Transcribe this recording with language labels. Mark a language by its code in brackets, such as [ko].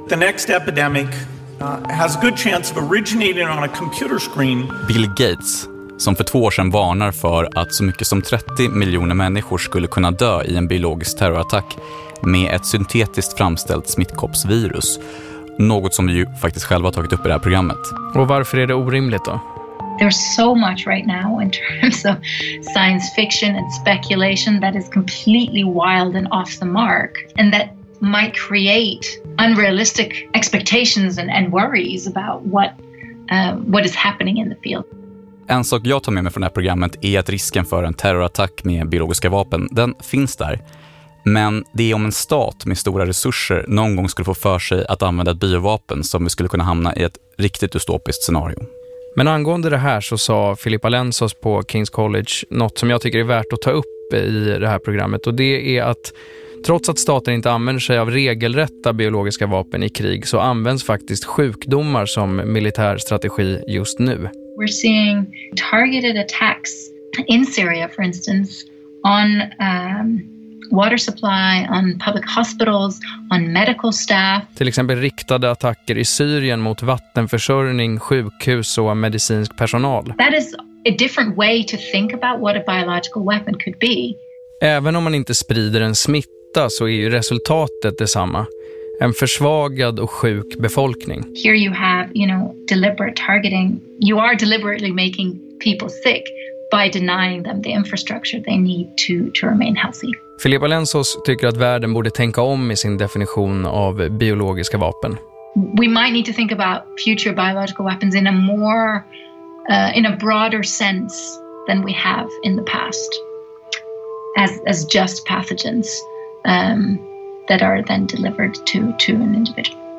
[en] The next epidemic has a good chance of originating on a computer screen. [sv] Bill Gates, som för 2 år sedan varnar för att så mycket som 30 miljoner människor skulle kunna dö i en biologisk terrorattack med ett syntetiskt framställt smittkoppsvirus. Något som vi ju faktiskt själva har tagit upp i det här programmet. Och varför är det orimligt då? [en] There's so much right now in terms of science fiction and speculation that is completely wild and off the mark and that might create unrealistic expectations and worries about what is happening in the field. [sv] En sak jag tar med mig från det här programmet är att risken för en terrorattack med biologiska vapen, den finns där. Men det är om en stat med stora resurser någon gång skulle få för sig att använda ett biovapen som vi skulle kunna hamna i ett riktigt dystopiskt scenario. Men angående det här så sa Filippa Lensos på King's College något som jag tycker är värt att ta upp i det här programmet. Och det är att trots att staten inte använder sig av regelrätta biologiska vapen i krig så används faktiskt sjukdomar som militär strategi just nu. [en] We're seeing targeted attacks in Syria for instance on water supply, on public hospitals, on medical staff. [sv] Till exempel riktade attacker i Syrien mot vattenförsörjning, sjukhus och medicinsk personal. [en] That is a different way to think about what a biological weapon could be. [sv] Även om man inte sprider en smitta så är ju resultatet detsamma. en försvagad och sjuk befolkning. [en] Here you have, you know, deliberate targeting. You are deliberately making people sick by denying them the infrastructure they need to remain healthy. [sv] Filip Alensos tycker att världen borde tänka om i sin definition av biologiska vapen. [en] We might need to think about future biological weapons in a more in a broader sense than we have in the past. As just pathogens that are then delivered to an individual.